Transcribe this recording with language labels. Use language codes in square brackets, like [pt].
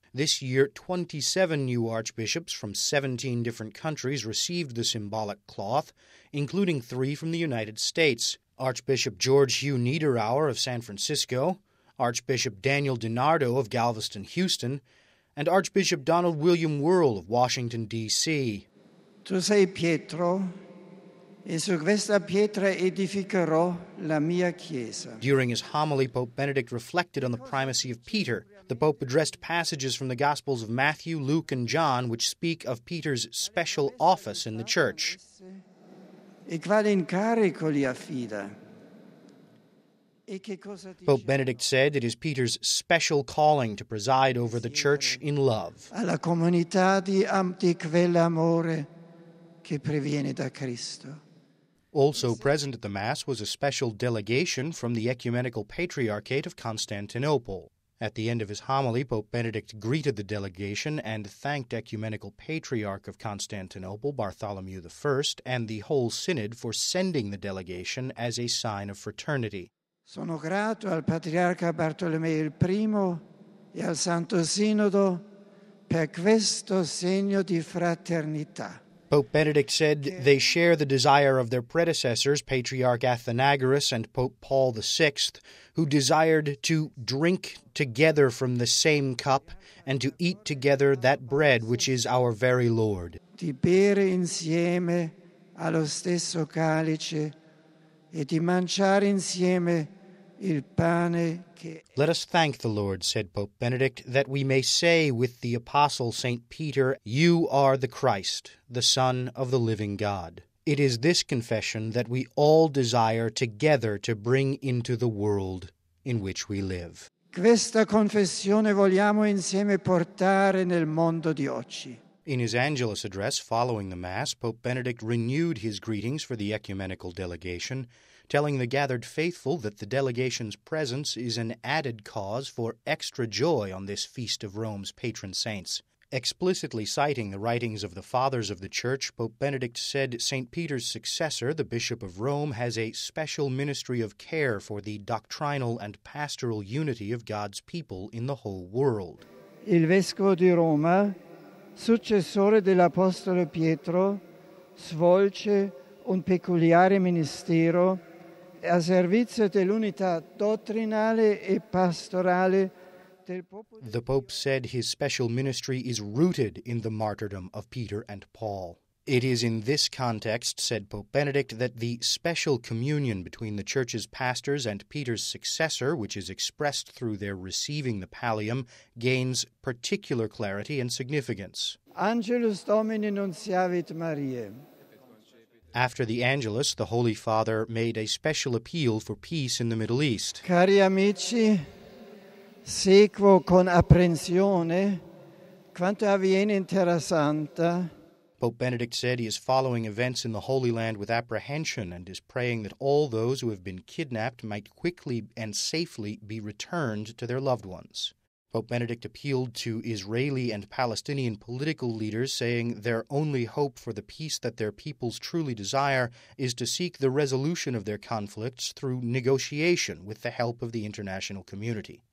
[en] This year, 27 new archbishops from 17 different countries received the symbolic cloth, including three from the United States: Archbishop George Hugh Niederauer of San Francisco, Archbishop Daniel DiNardo of Galveston, Houston, and Archbishop Donald William Wuerl of Washington, D.C. [it] Tu sei Pietro, e su questa pietra edificherò la mia chiesa. [en] During his homily, Pope Benedict reflected on the primacy of Peter. The Pope addressed passages from the Gospels of Matthew, Luke, and John, which speak of Peter's special office in the Church. [it] E quale incarico gli affida? [en] Pope Benedict said it is Peter's special calling to preside over the Church in love. [it] Alla comunità di amti quell'amore che previene da Cristo. [en] Also present at the Mass was a special delegation from the Ecumenical Patriarchate of Constantinople. At the end of his homily, Pope Benedict greeted the delegation and thanked Ecumenical Patriarch of Constantinople, Bartholomew I, and the whole synod for sending the delegation as a sign of fraternity. [it] Sono grato al Patriarca Bartolomeo I e al Santo Sinodo per questo segno di fraternità. [en] Pope Benedict said they share the desire of their predecessors, Patriarch Athenagoras and Pope Paul VI, who desired to drink together from the same cup and to eat together that bread which is our very Lord. [it] Di bere insieme allo stesso calice e di mangiare insieme il pane che... [en] Let us thank the Lord, said Pope Benedict, that we may say with the Apostle St. Peter, you are the Christ, the Son of the living God. It is this confession that we all desire together to bring into the world in which we live. [it] Questa confessione vogliamo insieme portare nel mondo di oggi. [en] In his Angelus address following the Mass, Pope Benedict renewed his greetings for the ecumenical delegation, telling the gathered faithful that the delegation's presence is an added cause for extra joy on this feast of Rome's patron saints. Explicitly citing the writings of the Fathers of the Church, Pope Benedict said St. Peter's successor, the Bishop of Rome, has a special ministry of care for the doctrinal and pastoral unity of God's people in the whole world. [it] Il Vescovo di Roma, successore dell'Apostolo Pietro, svolge un peculiare ministero a servizio dell'unità dottrinale e pastorale del popolo. [en] The Pope said his special ministry is rooted in the martyrdom of Peter and Paul. It is in this context, said Pope Benedict, that the special communion between the Church's pastors and Peter's successor, which is expressed through their receiving the pallium, gains particular clarity and significance. [la] Angelus Domini nuntiavit Mariae. [en] After the Angelus, the Holy Father made a special appeal for peace in the Middle East. [it] Cari amici, seguo con apprensione quanto avviene in Terra Santa. [en] Pope Benedict said he is following events in the Holy Land with apprehension and is praying that all those who have been kidnapped might quickly and safely be returned to their loved ones. Pope Benedict appealed to Israeli and Palestinian political leaders, saying their only hope for the peace that their peoples truly desire is to seek the resolution of their conflicts through negotiation with the help of the international community.